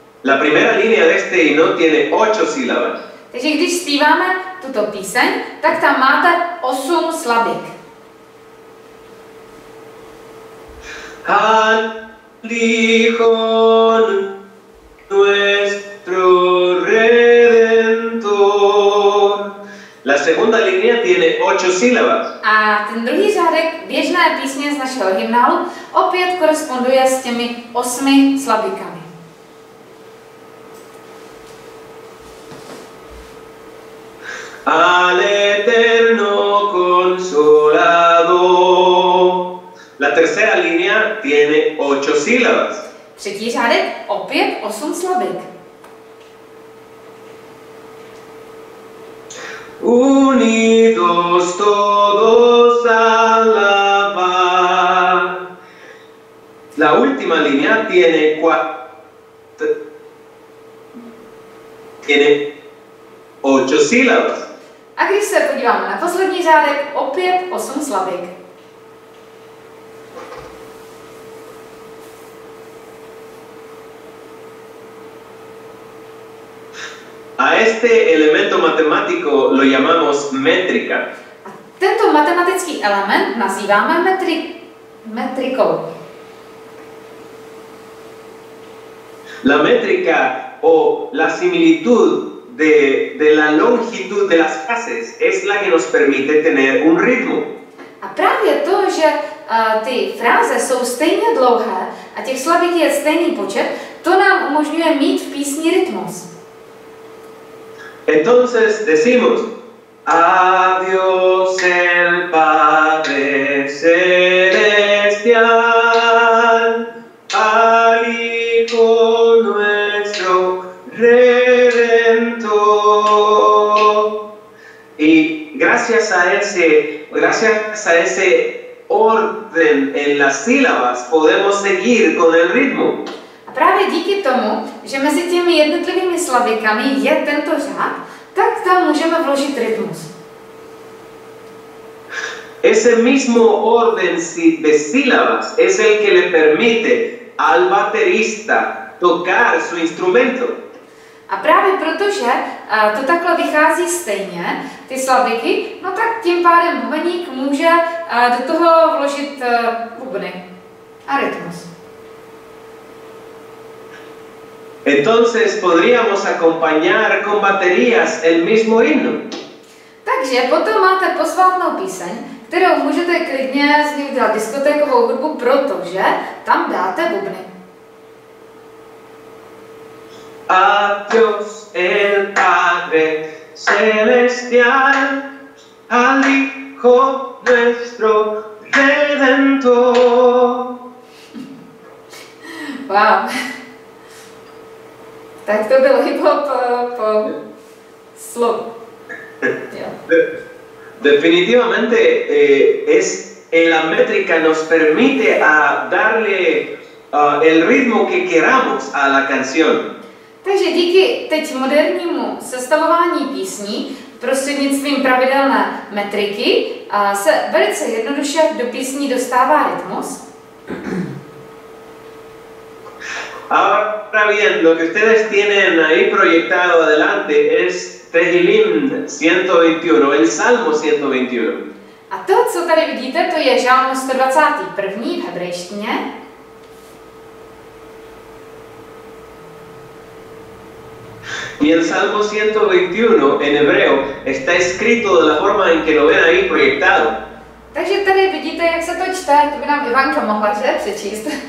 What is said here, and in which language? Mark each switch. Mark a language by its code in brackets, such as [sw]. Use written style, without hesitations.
[es] La primera línea de este himno tiene 8 sílabas. [cs] Takže když zpíváme tuto píseň, tak tam máte 8 slabik. [es] Al Hijo nuestro Redentor. La segunda línea tiene 8 sílabas. [cs] A ten druhý řádek běžné písně z našeho hymnálu opět koresponduje s těmi 8 slabikami. [es] Al Eterno Consolado. La tercera línea tiene 8 sílabas. [cs] Třetí řádek opět 8 slabik. [es] Unidos todos a la paz. La última línea tiene 8 sílabas. [cs] A když se podíváme na poslední řádek, opět 8 slabik. [es] A este elemento matemático lo llamamos métrica. [cs] A tento matematický element nazýváme metrikou. [es] La métrica o la similitud de la longitud de las frases es la que nos permite tener un ritmo. [cs] A právě to, že ty fráze jsou stejně dlouhé a těch slabik je stejný počet, to nám umožňuje mít v písni rytmus. [es] Entonces decimos, adiós el Padre Celestial, al Hijo nuestro Redentor. Y gracias a ese orden en las sílabas, podemos seguir con el ritmo. [cs] Právě díky tomu, že mezi těmi jednotlivými slabikami je tento řád, tak tam můžeme vložit rytmus. [es] Ese mismo orden de sílabas es el que le permite al baterista tocar su instrumento. [cs] A právě protože to takhle vychází stejně, ty slabiky, no tak tím pádem bubeník může do toho vložit bubny a rytmus. [es] Entonces podríamos acompañar con baterías el mismo himno. [cs] Takže potom máte posvátnou píseň, kterou můžete klidně z ní udělat diskotékovou hudbu, protože tam dáte bubny. [es] Adiós el Padre Celestial, al Hijo nuestro Redentor. Wow. [cs] Tak to byl hip-hop po slovu. [es] Definitivamente, es la métrica nos permite a darle el ritmo que queramos a la canción. [cs] Takže díky teď modernímu sestavování písní prostřednictvím pravidelné metriky se velice jednoduše do písní dostává rytmus. [es] Ahora bien, lo que ustedes tienen ahí proyectado adelante es Tehilim 121, el Salmo 121. [cs] A to, co tady vidíte, to je Žalm 121 v hebrejštině. [es] Y el Salmo 121 en hebreo está escrito de la forma en que lo ven ahí proyectado. [cs] Takže tady vidíte, jak se to čte, to by nám Ivanka mohla přečíst.